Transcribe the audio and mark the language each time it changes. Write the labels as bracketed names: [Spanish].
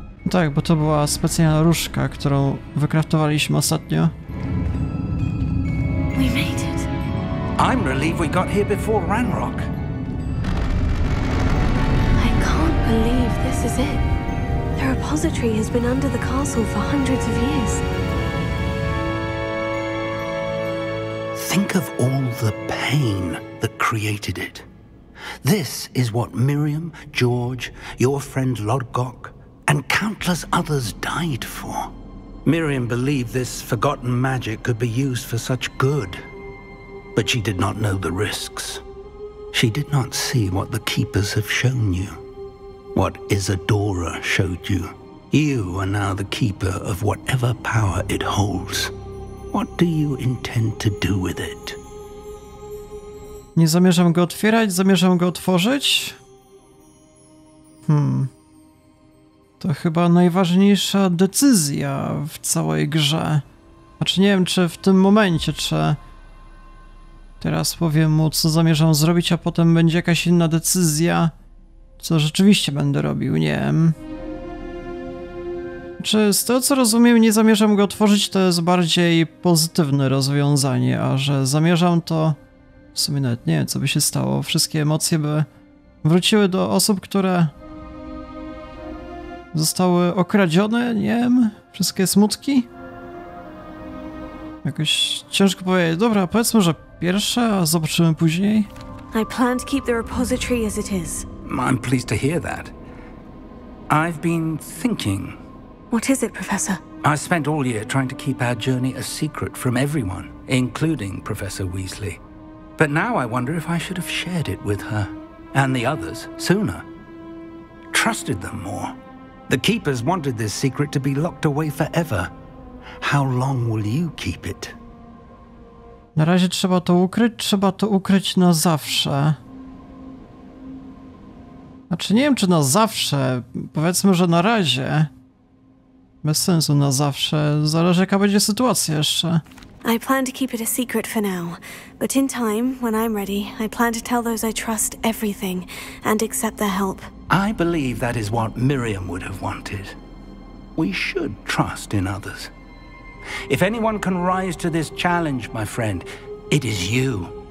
[Polish] Tak, bo to była specjalna różka, którą wykraftowaliśmy ostatnio. [English] We made it. I'm relieved we got here before Ranrok. I can't believe this is it. The repository has been under the castle for hundreds of years. Think of all the pain that created it. This is what Miriam, George, your friend Lodgok, and countless others died for. Miriam believed this forgotten magic could be used for such good. But she did not know the risks. She did not see what the Keepers have shown you. What Isadora showed you. You are now the Keeper of whatever power it holds. What do you intend to do with it? [Polish] Nie zamierzam go otwierać, zamierzam go otworzyć? To chyba najważniejsza decyzja w całej grze. Znaczy nie wiem, czy w tym momencie, czy... Teraz powiem mu, co zamierzam zrobić, a potem będzie jakaś inna decyzja. Co rzeczywiście będę robił, nie wiem. Czy z tego, co rozumiem, nie zamierzam go otworzyć, to jest bardziej pozytywne rozwiązanie, a że zamierzam, to... W sumie nawet nie wiem, co by się stało. Wszystkie emocje by wróciły do osób, które... zostały okradzione, nie wiem? Wszystkie smutki? Jakoś ciężko powiedzieć. Dobra, powiedzmy, że pierwsze, a zobaczymy później. [English] I plan to keep the repository as it is. I'm pleased to hear that. I've been thinking. What is it, Professor? I spent all year trying to keep our journey a secret from everyone, including Professor Weasley. But now I wonder if I should have shared it with her and the others sooner. Trusted them more. The Keepers wanted this secret to be locked away forever. How long will you keep it? [Polish] Na razie trzeba to ukryć na zawsze. Znaczy nie wiem, czy na zawsze, powiedzmy, że na razie. Bez sensu na zawsze, zależy jaka będzie sytuacja jeszcze. [English] I plan to keep it a secret for now, but in time, when I'm ready, I plan to tell those I trust everything and accept their help. I believe that is what Miriam would have wanted. We should trust in others. If anyone can rise to this challenge, my friend, it is you.